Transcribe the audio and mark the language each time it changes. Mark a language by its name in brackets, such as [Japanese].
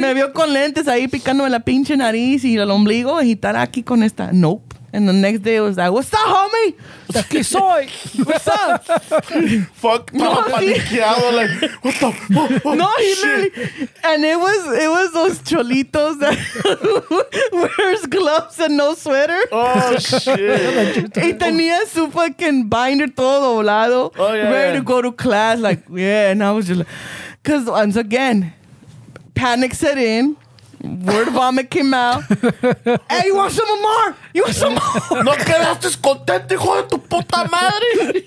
[Spanish] Me vio con lentes ahí picándome la pinche nariz y el ombligo y estar aquí con esta. Nope. [English] And the next day it was like, what's up, homie? [Spanish] Aquí soy. [English] What's up? Fuck. No, [Spanish] paniqueado. [English] Like, what the fuck? No, he literally. And it was those cholitos that wears gloves and no sweater. Oh, shit. [Spanish] Y tenía su [English] fucking binder [Spanish] todo doblado. [English] Oh, yeah. Ready to go to class. Like, yeah. And I was just like, because once again, panic set in. Word vomit came out. Hey, you want some more? You want some more? [Spanish] No quedaste contento, hijo de tu puta madre.